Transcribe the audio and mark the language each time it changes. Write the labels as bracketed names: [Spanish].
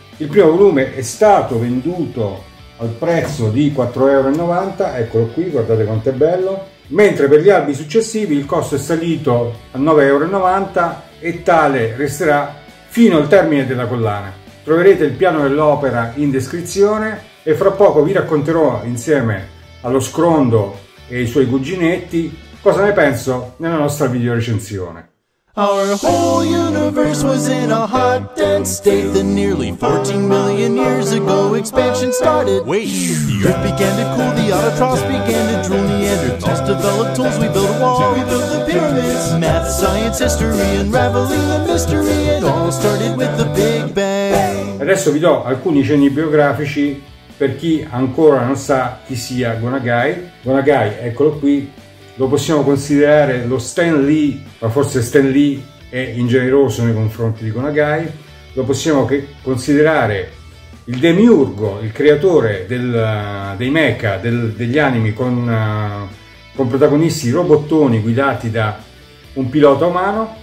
[Italian] Il primo volume è stato venduto al prezzo di 4,90€, eccolo qui, guardate quanto è bello, mentre per gli albi successivi il costo è salito a 9,90€ e tale resterà fino al termine della collana. Troverete il piano dell'opera in descrizione e fra poco vi racconterò insieme allo Scrondo e i suoi cuginetti cosa ne penso nella nostra video recensione. [English] Our whole universe was in a hot dense state. Then nearly 14 million years ago expansion started. Wait, the earth began to cool, the autotrophs began to drool, Neanderthals developed tools, we built a wall, we built the pyramids. Math, science, history, unraveling the mystery. It all started with the Big Bang. [Italian] Adesso vi do alcuni cenni biografici per chi ancora non sa chi sia Gonagai. Gonagai, eccolo qui, lo possiamo considerare lo Stan Lee, ma forse Stan Lee è ingeneroso nei confronti di Gonagai. Lo possiamo considerare il demiurgo, il creatore dei mecha, degli anime con protagonisti robottoni guidati da un pilota umano.